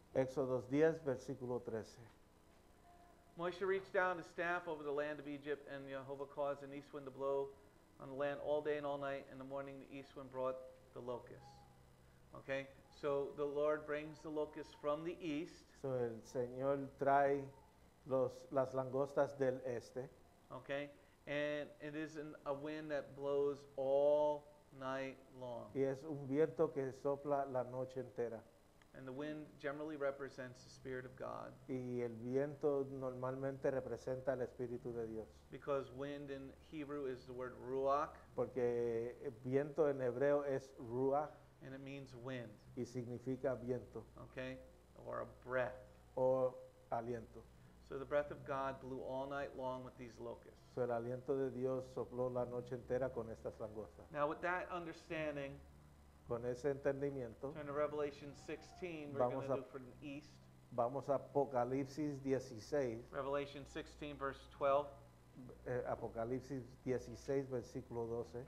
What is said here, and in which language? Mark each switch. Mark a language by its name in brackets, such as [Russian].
[Spanish] Exodus 10, versículo 13. [English] Moshe reached down his staff over the land of Egypt, and Yehovah caused an east wind to blow on the land all day and all night. In the morning, the east wind brought the locusts. Okay? So the Lord brings the locusts from the east. [Spanish] So el Señor trae las langostas del este. [English] Okay? And it is a wind that blows all night long. [Spanish] Y es un viento que sopla la noche entera. [English] And the wind generally represents the Spirit of God. [Spanish] Y el viento normalmente representa el Espíritu de Dios. [English] Because wind in Hebrew is the word ruach. [Spanish] Porque viento en hebreo es ruach. [English] And it means wind. [Spanish] Y significa viento. [English] Okay? Or a breath. [Spanish] O aliento. [English] So the breath of God blew all night long with these locusts. [Spanish] So el aliento de Dios sopló la noche entera con estas langostas. [English] Now with that understanding, [Spanish] con ese entendimiento, [English] turn to Revelation 16, we're going to do from the east. [Spanish] Vamos a Apocalipsis 16. [English] Revelation 16, verse 12. [Spanish] Apocalipsis 16, versículo 12.